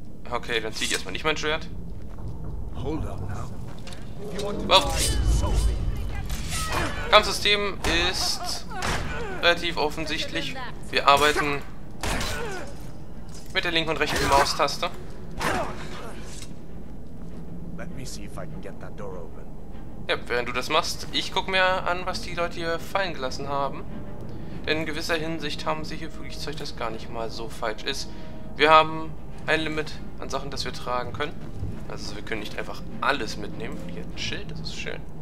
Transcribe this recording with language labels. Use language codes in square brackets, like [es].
[de] Okay, dann zieh ich erstmal nicht mein Schwert. [en] Hold up now. [de] Kampfsystem ist relativ offensichtlich. Wir arbeiten mit der linken und rechten Maustaste. [en] Let me see if I can get that door open. [de] Ja, während du das machst, ich guck mir an, was die Leute hier fallen gelassen haben. Denn in gewisser Hinsicht haben sie hier wirklich Zeug, das gar nicht mal so falsch ist. Wir haben ein Limit an Sachen, das wir tragen können. Also wir können nicht einfach alles mitnehmen. Hier ein Schild, das ist schön.